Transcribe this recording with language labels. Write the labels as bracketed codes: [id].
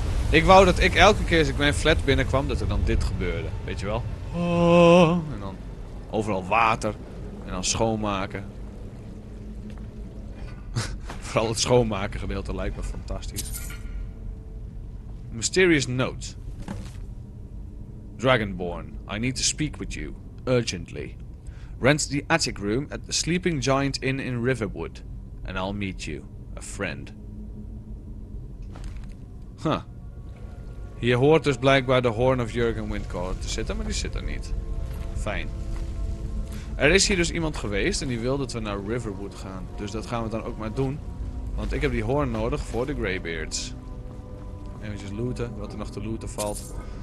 [nl] Ik wou dat ik elke keer als ik mijn flat binnenkwam, dat er dan dit gebeurde. Weet je wel? Oh. En dan overal water. En dan schoonmaken. Vooral het schoonmaken gedeelte lijkt me fantastisch. [en] Mysterious note. Dragonborn, I need to speak with you. Urgently. Rent the attic room at the Sleeping Giant Inn in Riverwood, and I'll meet you, a friend. Huh. [nl] Je hoort dus blijkbaar de Horn of Jurgen Windcaller te zitten, maar die zit er niet. Fijn. Er is hier dus iemand geweest en die wil dat we naar Riverwood gaan. Dus dat gaan we dan ook maar doen. Want ik heb die hoorn nodig voor de Greybeards. Even looten, wat er nog te looten valt.